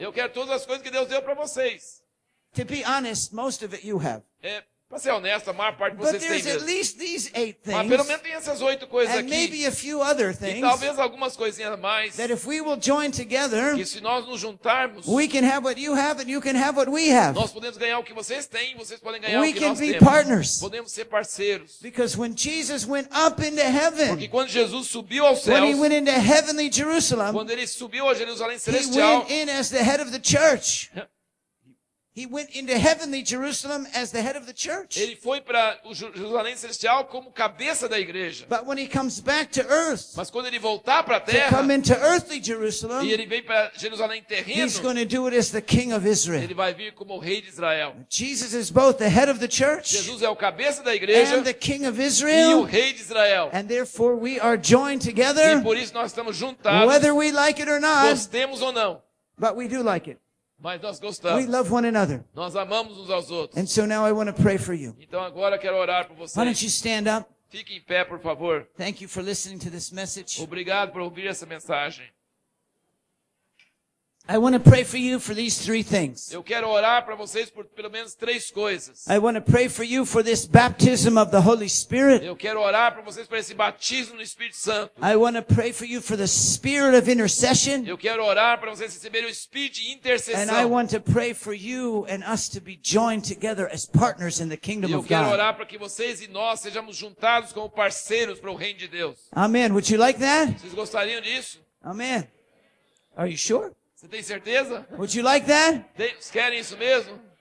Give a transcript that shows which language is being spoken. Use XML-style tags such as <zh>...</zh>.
<pt>Eu quero todas as coisas que Deus deu para vocês.</pt> <en>To be honest, most of it you have.</en> <pt>Para ser honesto, a maior parte de vocês tem.</pt> <en>But there's at least these eight things.</en> <pt>Mas pelo menos tem essas oito coisas aqui.</pt> <en>And maybe a few other things.</en> <pt>E talvez algumas coisinhas a mais.</pt> <en>That if we will join together,</en> <pt>que se nós nos juntarmos,</pt> <en>we can have what you have and you can have what we have.</en> <pt>Nós podemos ganhar o que vocês têm, vocês podem ganhar</pt> <en>we</en> <pt>o que nós temos.</pt> <en>We can be partners.</en> <pt>Podemos ser parceiros.</pt> <en>Because when Jesus went up into heaven,</en> <pt>porque quando Jesus subiu aos céus,</pt> <en>when he went into heavenly Jerusalem,</en> <pt>quando ele subiu a Jerusalém celestial,</pt> <en>he went in as the head of the church. He went into heavenly Jerusalem as the head of the church.</en> <pt>Ele foi para o Jerusalém celestial como cabeça da igreja.</pt> <en>But when he comes back to earth,</en> <pt>mas quando ele voltar para a terra,</pt> <en>to come into earthly Jerusalem,</en> <pt>e ele vem para Jerusalém terreno,</pt> <en>he's going to do it as the king of Israel.</en> <pt>Ele vai vir como o rei de Israel.</pt> <en>Jesus is both the head of the church,</en> <pt>Jesus é o cabeça da igreja,</pt> <en>and the king of Israel,</en> <pt>e o rei de Israel.</pt> <en>And therefore we are joined together,</en> <pt>e por isso nós estamos juntados,</pt> <en>whether we like it or not,</en> <pt>gostemos ou não.</pt> <en>But we do like it.</en> <pt>Mas nós gostamos.</pt> <en>We love one another.</en> <pt>Nós amamos uns aos outros.</pt> <en>And so now I want to pray for you.</en> <pt>Então agora quero orar por vocês.</pt> <en>Why don't you stand up?</en> <pt>Fique em pé, por favor.</pt> <en>Thank you for listening to this message.</en> <pt>Obrigado por ouvir essa mensagem.</pt> <en>I want to pray for you for these three things.</en> <pt>Eu quero orar para vocês por pelo menos três coisas.</pt> <en>I want to pray for you for this baptism of the Holy Spirit.</en> <pt>Eu quero orar para vocês por esse batismo no Espírito Santo.</pt> <en>I want to pray for you for the spirit of intercession.</en> <pt>Eu quero orar para vocês receberem o espírito de intercessão.</pt> <en>And I want to pray for you and us to be joined together as partners in the kingdom of God.</en> <pt>Eu quero orar para que vocês e nós sejamos juntados como parceiros para o reino de Deus.</pt> <en>Amen. Would you like that?</en> <pt>Vocês gostariam disso?</pt> <en>Amen. Are you sure?</en> <pt>Você tem certeza?</pt> <en>Would you like that?</en> <pt>Vocês querem isso mesmo?</pt>